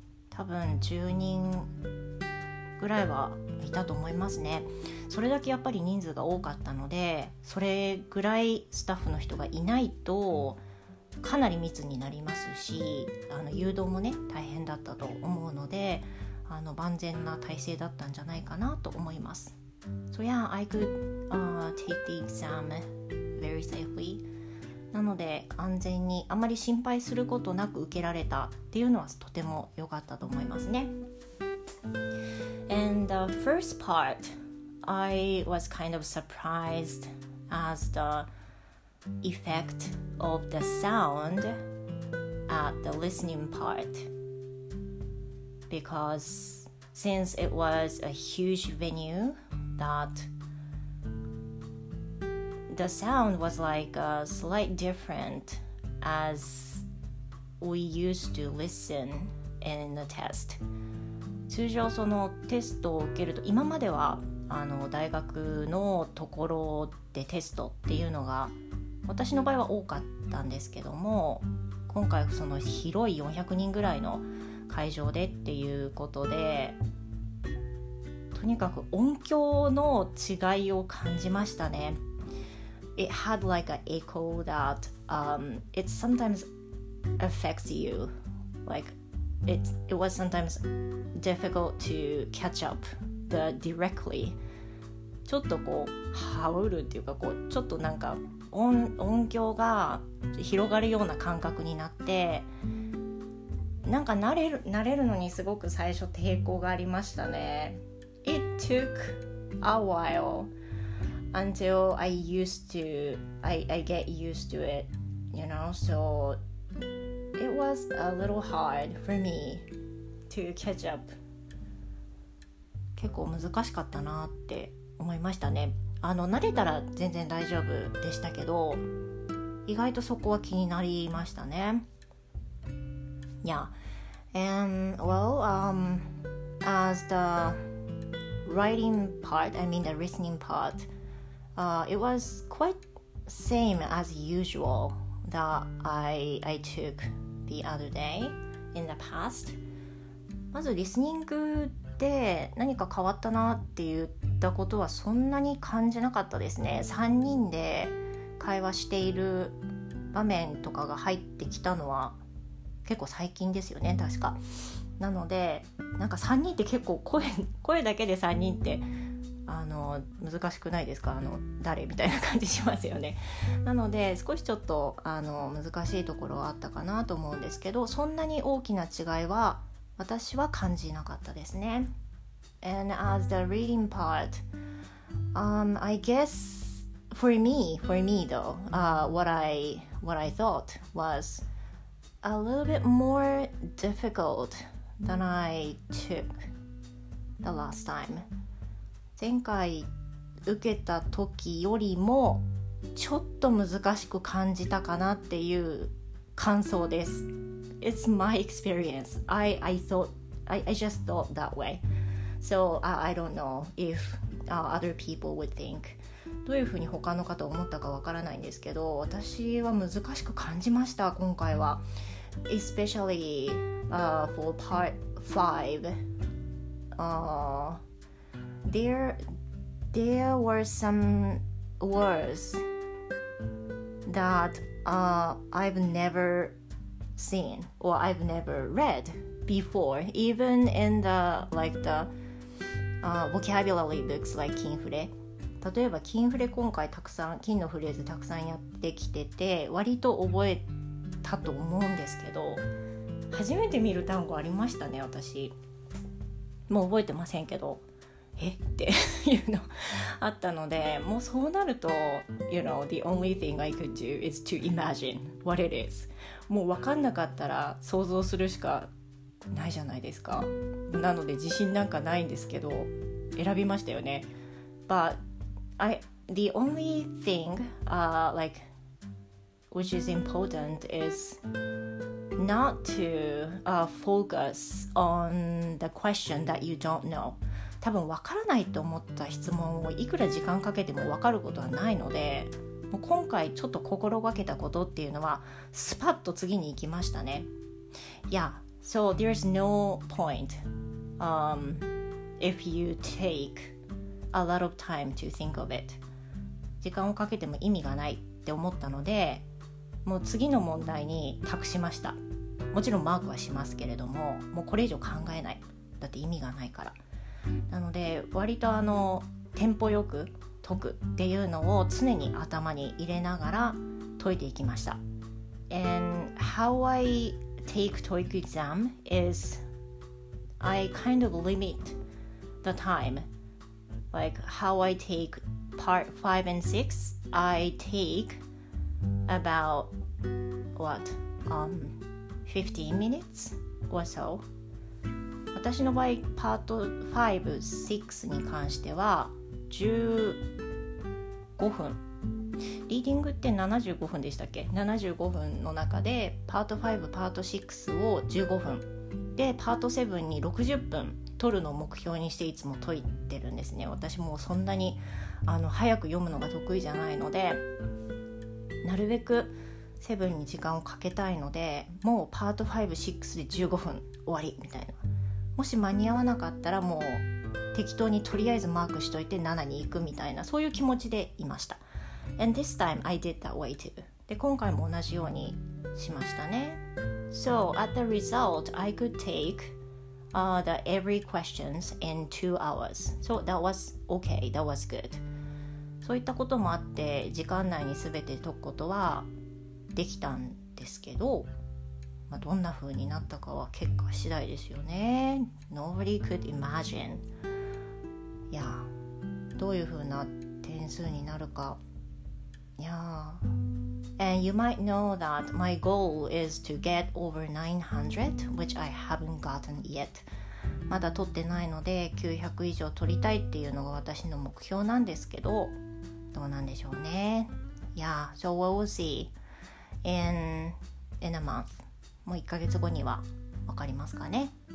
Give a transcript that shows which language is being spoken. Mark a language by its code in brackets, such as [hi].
[ja] 多分10人ぐらいはいたと思いますね。それだけやっぱり人数が多かったので、それぐらいスタッフの人がいないとかなり密になりますし、誘導もね大変だったと思うので、万全な体制だったんじゃないかなと思います。 [en] So yeah, I could take the exam very safely. [ja] なので安全にあまり心配することなく受けられたっていうのはとても良かったと思いますね。 And the first part, I was kind of surprised as the effect of the sound at the listening partBecause since it was a huge venue, that the sound was like a slight different as we used to listen in the test. 通常そのテストを受けると、今までは大学のところでテストっていうのが私の場合は多かったんですけども、今回その広い400人ぐらいの会場でっていうことで、とにかく音響の違いを感じましたね。 [en] It had like an echo that、it sometimes affects you. Like it was sometimes difficult to catch up the directly. [ja] ちょっとこうハウルっていうか、こうちょっとなんか音響が広がるような感覚になって、なんか慣れるのにすごく最初抵抗がありましたね。 [en] It took a while until I get used to it, you know, so it was a little hard for me to catch up. [ja] 結構難しかったなって思いましたね。あの慣れたら全然大丈夫でしたけど、意外とそこは気になりましたね。 [en] Yeah. And well, as the writing part, I mean the listening part, it was quite same as usual that I took the other day in the past. [ja] まずリスニングで何か変わったなって言ったことはそんなに感じなかったですね。 3人で会話している場面とかが入ってきたのは結構最近ですよね、確か。なのでなんか3人って結構声だけで3人ってあの難しくないですか、あの誰みたいな感じしますよね。なので少しちょっとあの難しいところはあったかなと思うんですけど、そんなに大きな違いは私は感じなかったですね。 [en] And as the reading part, I guessfor me though, what I thought was a little bit more difficult than I took the last time. [ja] 前回受けた時よりもちょっと難しく感じたかなっていう感想です。 [en] It's my experience. I just thought that way. So I don't know if other people would think. [ja] どういうふうに他の方思ったかわからないんですけど、私は難しく感じました今回は。 [en] Especially for part 5 there were some words that I've never seen or I've never read before, even in the like the vocabulary books like キンフレ。 [ja] 例えば金フレ、今回たくさん金のフレーズたくさんやってきてて割と覚えたと思うんですけど、初めて見る単語ありましたね。私もう覚えてませんけど、えっていうのあったので、もうそうなると [en] You know, the only thing I could do is to imagine what it is. [ja] もう分かんなかったら想像するしかないじゃないですか。なので自信なんかないんですけど選びましたよね。 [en] ButThe only thing, like, which is important is not to focus on the question that you don't know. [ja] 多分分からないと思った質問をいくら時間かけても分かることはないので、もう今回ちょっと心がけたことっていうのはスパッと次に行きましたね。 [en] Yeah, so there's no point if you take... A lot of time to think of it. [ja] 時間をかけても意味がないって思ったので、もう次の問題に託しました。もちろんマークはしますけれども、もうこれ以上考えない、だって意味がないから。なので割とあのテンポよく解くっていうのを常に頭に入れながら解いていきました。 [en] And how I take TOEIC exam is I kind of limit the timeLike how I take part 5 and 6, I take about, what, 15 minutes or so. [ja] 私の場合、パート5、6に関しては15分。リーディングって75分でしたっけ ?75 分の中で、パート5、パート6を15分。で、パート7に60分。取るのを目標にしていつも解いてるんですね。私もそんなにあの早く読むのが得意じゃないので、なるべくセブンに時間をかけたいので、もうパート5、6で15分終わりみたいな、もし間に合わなかったらもう適当にとりあえずマークしといて7に行くみたいな、そういう気持ちでいました。 [en] And this time I did that way too. [ja] で今回も同じようにしましたね。 [en] So at the result I could takeThe every questions in 2 hours. So that was okay. That was good. [ja] そういったこともあって時間内に全て解くことはできたんですけど、まあ、どんな風になったかは結果次第ですよね。 [en] Nobody could imagine. [ja] いや、どういう風な点数になるか。 [en] Yeah. And you might know that my goal is to get over 900, which I haven't gotten yet. [ja] まだ取ってないので900以上取りたいっていうのが私の目標なんですけど、どうなんでしょうね。 [en] Yeah, so we'll see in a month. [ja] もう1ヶ月後には分かりますかね。